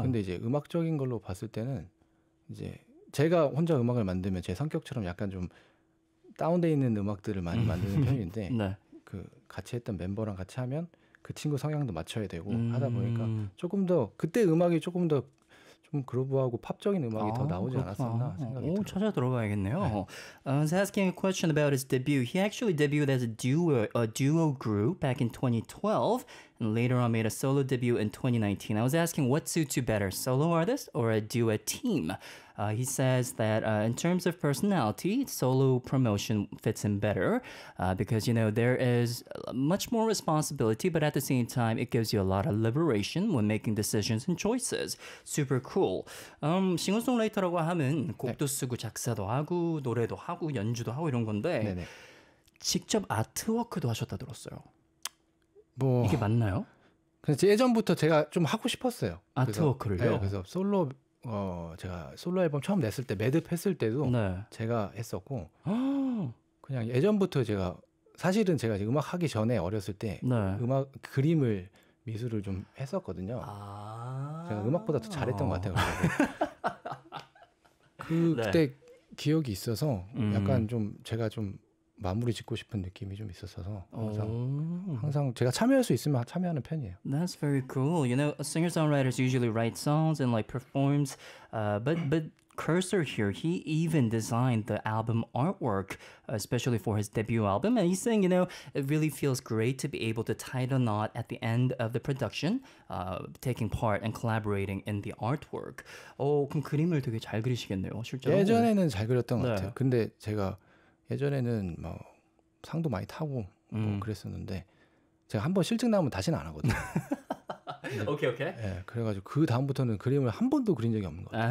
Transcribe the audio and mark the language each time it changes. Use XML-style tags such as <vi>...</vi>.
<ko>근데 이제 음악적인 걸로 봤을 때는 이제 제가 혼자 음악을 만들면 제 성격처럼 약간 좀 다운돼 있는 음악들을 많이 만드는 편인데 네. 그 같이 했던 멤버랑 같이 하면 그 친구 성향도 맞춰야 되고 하다 보니까 조금 더 그때 음악이 조금 더 좀 그루브하고 팝적인 음악이 더 나오지 그렇구나. 않았었나 생각이 들어요. 찾아 들어봐야겠네요. 네.</ko> <en>I was asking a question about his debut. He actually debuted as a duo group back in 2012 and later on made a solo debut in 2019. I was asking what suits you better, solo artist or a duo team? He says that in terms of personality, solo promotion fits him better because, you know, there is much more responsibility, but at the same time, it gives you a lot of liberation when making decisions and choices. Super cool.</en> <ko>싱어송라이터라고 하면 곡도 네. 쓰고 작사도 하고 노래도 하고 연주도 하고 이런 건데 네네. 직접 아트워크도 하셨다 들었어요. 뭐 이게 맞나요? 근데 예전부터 제가 좀 하고 싶었어요. 아트워크를요? 그래서, 네, 그래서 솔로... 제가 솔로 앨범 처음 냈을 때 매듭 했을 때도 네. 제가 했었고 그냥 예전부터 제가 사실은 제가 음악 하기 전에 어렸을 때 네. 음악 그림을 미술을 좀 했었거든요. 아~ 제가 음악보다 더 잘했던 것 같아요. 그때 네. 기억이 있어서 약간 좀 제가 좀 마무리 짓고 싶은 느낌이 좀 있었어서 항상 제가 참여할 수 있으면 참여하는 편이에요.</ko> <en>That's very cool. You know, singer-songwriters usually write songs and like performs, but Cursor here, he even designed the album artwork, especially for his debut album. And he's saying, you know, it really feels great to be able to tie the knot at the end of the production, taking part and collaborating in the artwork.</en> <ko>그럼 그림을 되게 잘 그리시겠네요, 실제로. 예전에는 잘 그렸던 것 네. 같아요. 근데 제가 예전에는 뭐 상도 많이 타고 뭐 그랬었는데 제가 한번 실증 나면 다시는 안 하거든요. 오케이 오케이. 예, 그래가지고 그 다음부터는 그림을 한 번도 그린 적이 없는 것 같아요.</ko>